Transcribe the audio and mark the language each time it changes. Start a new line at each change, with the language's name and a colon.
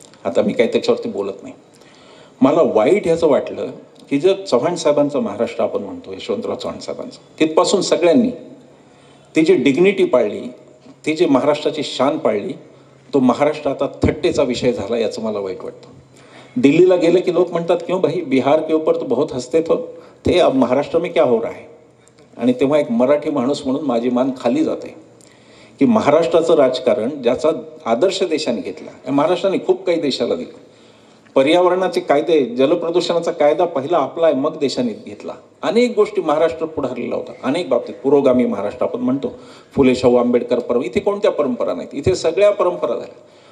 Marathi: आता मी काय त्याच्यावरती बोलत नाही. मला वाईट ह्याचं वाटलं की जर चव्हाण साहेबांचं महाराष्ट्र आपण म्हणतो, यशवंतराव चव्हाण साहेबांचं, तिथपासून सगळ्यांनी ती जी डिग्निटी पाळली, ती जी महाराष्ट्राची शान पाळली, तो महाराष्ट्र आता थट्टेचा विषय झाला, याचं मला वाईट वाटतं. दिल्लीला गेलं की लोक म्हणतात
Hindi: क्यों भाई बिहार के ऊपर तो बहुत हसते थो, ते अब महाराष्ट्र में क्या हो रहा है.
Marathi: आणि तेव्हा एक मराठी माणूस म्हणून माझी मान खाली जाते की महाराष्ट्राचं राजकारण ज्याचा आदर्श देशाने घेतला, महाराष्ट्राने खूप काही देशाला दिलं. पर्यावरणाचे कायदे, जलप्रदूषणाचा कायदा पहिला आपला आहे, मग देशाने घेतला. अनेक गोष्टी महाराष्ट्र पुढारलेला होता अनेक बाबतीत. पुरोगामी महाराष्ट्र आपण म्हणतो, फुले शाहू आंबेडकर पर्व, इथे कोणत्या परंपरा नाहीत, इथे सगळ्या परंपरा झाल्या.